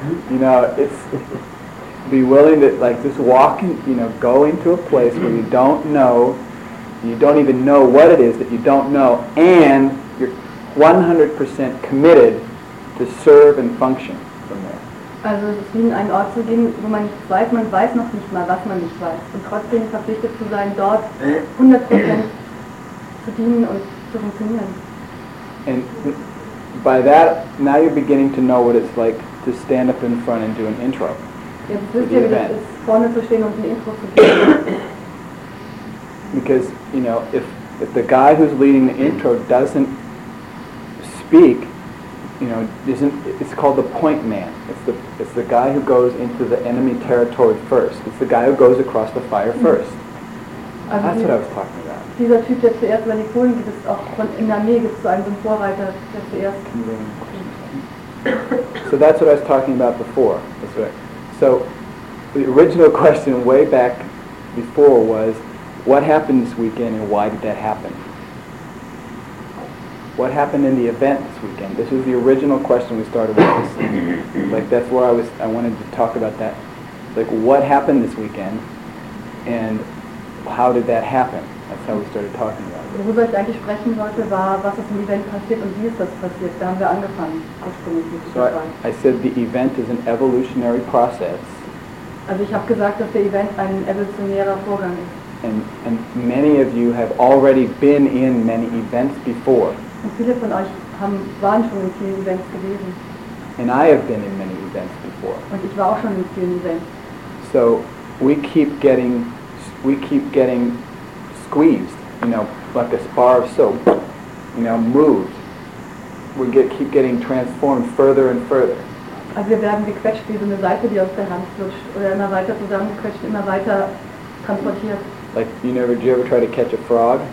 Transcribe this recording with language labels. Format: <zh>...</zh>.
<en>You know, it's be willing to like just walk, you know, go into a place where you don't know, you don't even know what it is that you don't know, and you're 100% committed to serve and function from there.</en> <de>Also es ist wie in einen Ort zu gehen, wo man nicht weiß, man weiß noch nicht mal, was man nicht weiß, und trotzdem verpflichtet zu sein, dort 100% zu dienen und zu funktionieren.</de> <en>And by that, now you're beginning to know what it's like to stand up in front and do an intro.</en> <de>Jetzt wisst ihr, wie es ist, vorne zu stehen und ein Intro zu geben.</de> <en>Because, you know, if the guy who's leading the intro doesn't speak, you know, isn't, it's called the point man. It's the guy who goes into the enemy territory first. It's the guy who goes across the fire first. Also that's what I was talking about.</en> <de>Dieser Typ, der zuerst über die Kohlen geht, ist auch von in der Armee, gibt es so einen Vorreiter, der zuerst.</de> <en>So that's what I was talking about before. That's right. So the original question way back before was, what happened this weekend and why did that happen? What happened in the event this weekend? This was the original question we started with. Like that's where I wanted to talk about that. Like what happened this weekend and how did that happen? That's how we started talking about it.</en> <de>Worüber ich eigentlich sprechen wollte, war, was ist im Event passiert und wie ist das passiert? Da haben wir angefangen.</de> <en>I said the event is an evolutionary process.</en> <de>Also ich habe gesagt, dass der Event ein evolutionärer Vorgang ist.</de> <en>and many of you have already been in many events before.</en> <de>Und viele von euch waren schon in vielen Events gewesen.</de> <en>And I have been in many events before.</en> <de>Und ich war auch schon in vielen Events.</de> <en>So we keep getting squeezed, you know, like this bar of soap, you know, moved. We keep getting transformed further and further.</en> <de>Also wir werden gequetscht wie so eine Seife, die aus der Hand flutscht, oder immer weiter zusammengequetscht, immer weiter transportiert.</de> <en>Like, you never, did you ever try to catch a frog?</en>